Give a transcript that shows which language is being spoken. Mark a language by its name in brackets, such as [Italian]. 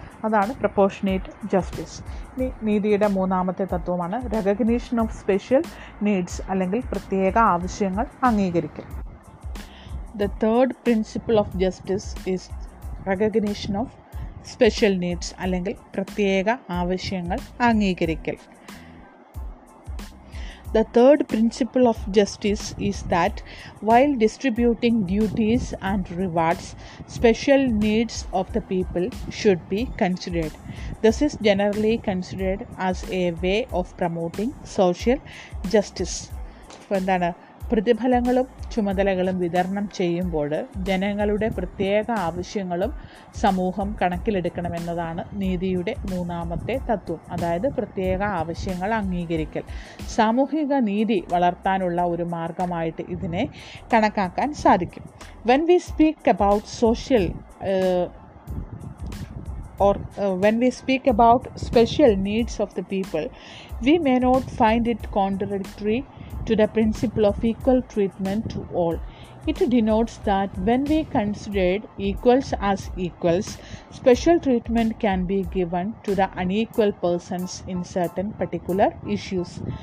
[Malayalam] അതാണ് proportionate justice. ഇനി നീതിയുടെ മൂന്നാമത്തെ തത്വമാണ് [English] recognition of special needs, [Malayalam] അല്ലെങ്കിൽ പ്രത്യേക ആവശ്യങ്ങൾ അംഗീകരിക്കൽ. [English] the third principle of justice is recognition of special needs, [Malayalam] അല്ലെങ്കിൽ പ്രത്യേക ആവശ്യങ്ങൾ അംഗീകരിക്കൽ. [English] The third principle of justice is that while distributing duties and rewards, special needs of the people should be considered. This is generally considered as a way of promoting social justice. [Malayalam] അപ്പോൾ എന്താണ്, പ്രതിഫലങ്ങളും ചുമതലകളും വിതരണം ചെയ്യുമ്പോൾ ജനങ്ങളുടെ പ്രത്യേക ആവശ്യങ്ങളും സമൂഹം കണക്കിലെടുക്കണമെന്നതാണ് നീതിയുടെ മൂന്നാമത്തെ തത്വം. അതായത് പ്രത്യേക ആവശ്യങ്ങൾ അംഗീകരിക്കൽ സാമൂഹിക നീതി വളർത്താനുള്ള ഒരു മാർഗമായിട്ട് ഇതിനെ കണക്കാക്കാൻ സാധിക്കും. [English] When we speak about social or when we speak about special needs of the people, we may not find it contradictory to the principle of equal treatment to all. It denotes that when we considered equals as equals, special treatment can be given to the unequal persons in certain particular issues.